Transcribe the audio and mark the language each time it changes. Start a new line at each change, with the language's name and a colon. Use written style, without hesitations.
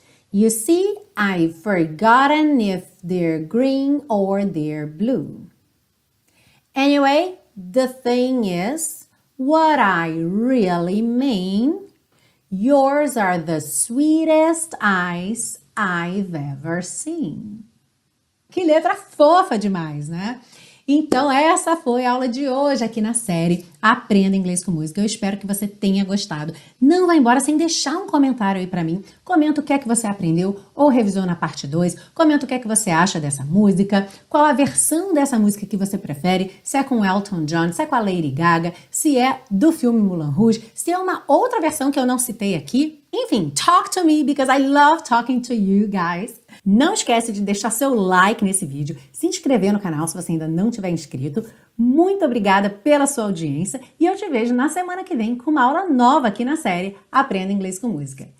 English: You see, I've forgotten if they're green or they're blue. Anyway, the thing is, what I really mean, yours are the sweetest eyes I've ever seen.
Portuguese: Que letra fofa demais, né? Então, essa foi a aula de hoje aqui na série Aprenda Inglês com Música. Eu espero que você tenha gostado. Não vá embora sem deixar um comentário aí para mim. Comenta o que é que você aprendeu ou revisou na parte 2. Comenta o que é que você acha dessa música. Qual a versão dessa música que você prefere? Se é com Elton John, se é com a Lady Gaga, se é do filme Moulin Rouge, se é uma outra versão que eu não citei aqui.
English: Enfim, talk to me because I love talking to you guys.
Portuguese: Não esquece de deixar seu like nesse vídeo, se inscrever no canal se você ainda não tiver inscrito. Muito obrigada pela sua audiência e eu te vejo na semana que vem com uma aula nova aqui na série Aprenda Inglês com Música.